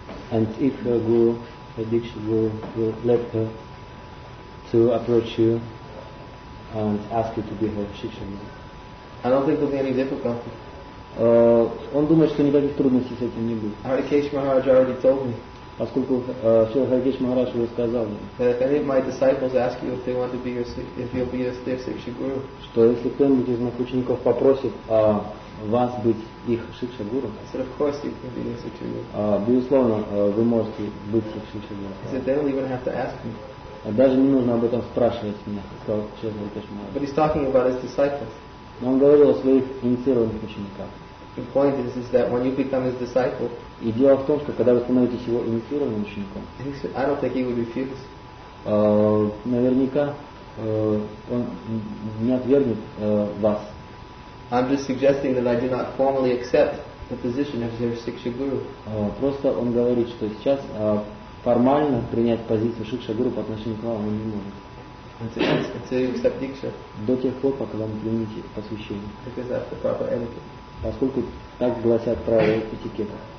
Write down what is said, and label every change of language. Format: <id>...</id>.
<en>And if her guru, her diksha guru, will let her to approach you and ask you to be her shikshana. I don't think there'll be any difficulty.</en> <ru>Он думает, что никаких трудностей с этим не будет.</ru> <en>Hare Keshe Maharaj already told me.</en> <ru>Поскольку Шри Hare Keshe Maharaj уже сказал мне.</ru> <en>That if any of my disciples ask you if they want to be your, if you'll be their shiksha guru.</en> <ru>Что если кто-нибудь из моих учеников попросит вас быть их шикша гуру.</ru> <en>I said, of course you can be their shiksha guru.</en> <ru>Безусловно, вы можете быть их шикша гуру.</ru> <en>He said, they don't even have to ask me.</en> <ru>Даже не нужно об этом спрашивать меня, сказал Шри Hare Keshe Maharaj.</ru> <en>But he's talking about his disciples.</en> <ru>Но он говорил о своих инициированных учениках.</ru> <en>The point is that when you become his disciple,</en> <ru>и дело в том, что когда вы становитесь его инициированным учеником,</ru> <en>I don't think he would refuse.</en> <ru>Наверняка он не отвергнет вас.</ru> <en>I'm just suggesting that I do not formally accept the position of their Shiksha Guru.</en> <ru>Просто он говорит, что сейчас формально принять позицию Шикша Гуру по отношению к вам он не может.</ru> <en>Until you accept Diksha.</en> <ru>До тех пор, пока вы не примете посвящение.</ru> <en>Because that's the proper etiquette.</en> <ru>Поскольку так гласят правила этикета.</ru>